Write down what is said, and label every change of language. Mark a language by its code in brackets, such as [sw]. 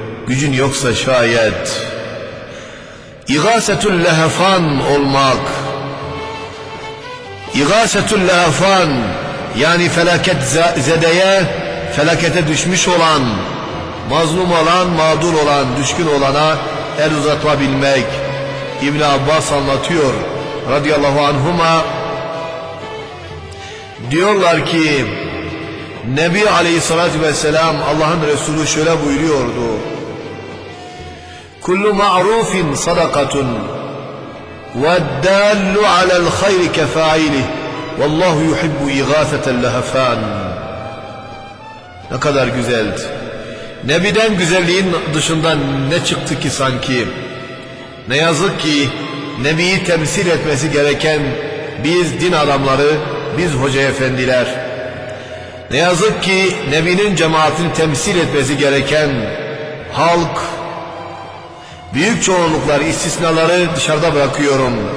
[tr] Gücün yoksa şayet İgâsetül lehefan olmak, İgâsetül lehefan yani felaket zedeye, felakete düşmüş olan, mazlum olan, mağdur olan, düşkün olana el uzatabilmek. İbn Abbas anlatıyor radıyallahu anhuma, diyorlar ki Nebi Aleyhissalatu vesselam Allah'ın Resulü şöyle buyuruyordu: [ar] كل معروف صدقة، والدال على الخير كفاعله، والله يحب إغاثة اللهفان. [tr] Ne kadar güzeldi. Nebiden güzelliğin dışında ne çıktı ki sanki? Ne yazık ki Nebi'yi temsil etmesi gereken biz din adamları, biz hoca efendiler. Ne yazık ki Nebi'nin cemaatini temsil etmesi gereken halk, büyük çoğunluklar, istisnaları dışarıda bırakıyorum.